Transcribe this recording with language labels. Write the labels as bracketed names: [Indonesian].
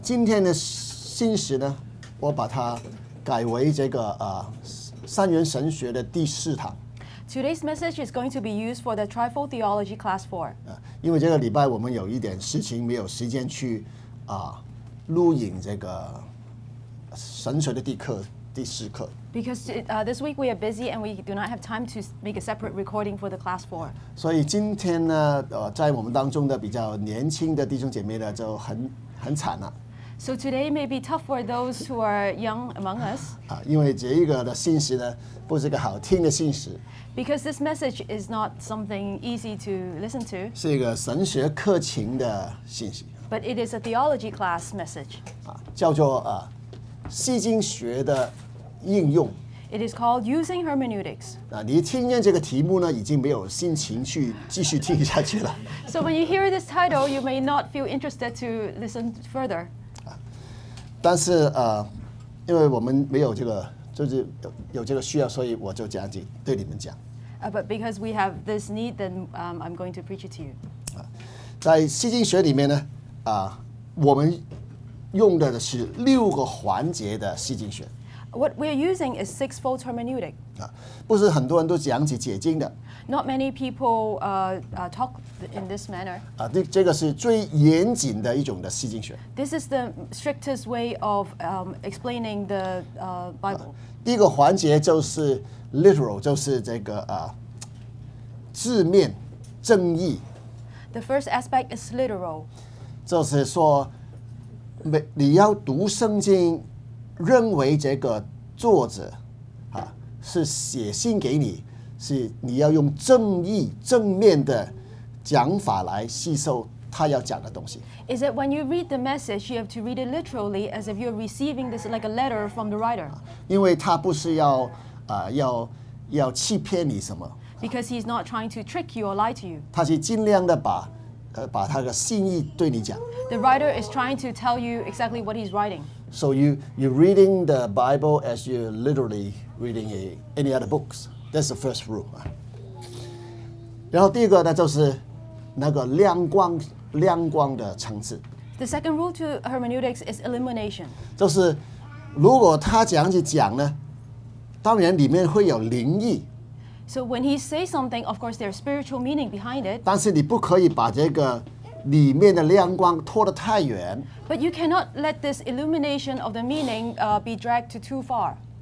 [Chinese] 今天的信息呢，我把它改为这个三元神学的第四堂。 [English] Today's message is going to be used for the Trifold Theology Class 4. [Chinese] 因为这个礼拜我们有一点事情没有时间去录影这个神学的第课第四课。 [English] Because this week we are busy and we do not have time to make a separate recording for the class 4. [Chinese] 所以今天呢，在我们当中的比较年轻的弟兄姐妹呢，就很惨了。 [English] So today may be tough for those who are young among us. [Chinese] 因为这一个的信息呢，不是个好听的信息。 [English] Because this message is not something easy to listen to. [Chinese] 是一个神学课程的信息。 [English] But it is a theology class message. [Chinese] 叫做释经学的应用。 [English] It is called using hermeneutics. [Chinese] 你听见这个题目呢，已经没有心情去继续听下去了。 [English] So when you hear this title, you may not feel interested to listen further. [Chinese] 但是因为我们没有这个，就是有这个需要，所以我就讲解对你们讲。 [English] But because we have this need, then I'm going to preach it to you. [Chinese] 在释经学里面呢，我们用的是六个环节的释经学。 [English] What we are using is sixfold hermeneutic. [Chinese] 不是很多人都讲解解经的。 [English] Not many people talk in this manner. [Chinese] 这个是最严谨的一种的释经学。 [English] This is the strictest way of explaining the Bible. [Chinese] 第一个环节就是 literal， 就是这个字面正义。 [English] The first aspect is literal. [Chinese] 就是说，你要读圣经。认为这个作者是写信给你，是你要用正义正面的讲法来吸收他要讲的东西。 [English] Is that when you read the message, you have to read it literally as if you're receiving this like a letter from the writer? [Chinese] 因为他不是要欺骗你什么。 [English] Because he's not trying to trick you or lie to you. [Chinese] 他是尽量的把他的心意对你讲。 [English] The writer is trying to tell you exactly what he's writing. So you're reading the Bible as you're literally reading any other books. That's the first rule. [Chinese] 然后第一个呢，就是那个亮光的层次。 [English] The second rule to hermeneutics is illumination. [Chinese] 就是如果他讲起讲呢，当然里面会有灵意。 [English] So when he says something, of course there's spiritual meaning behind it. [Chinese] 但是你不可以把这个里面的亮光拖得太远。 [English] But you cannot let this illumination of the meaning be dragged to too far.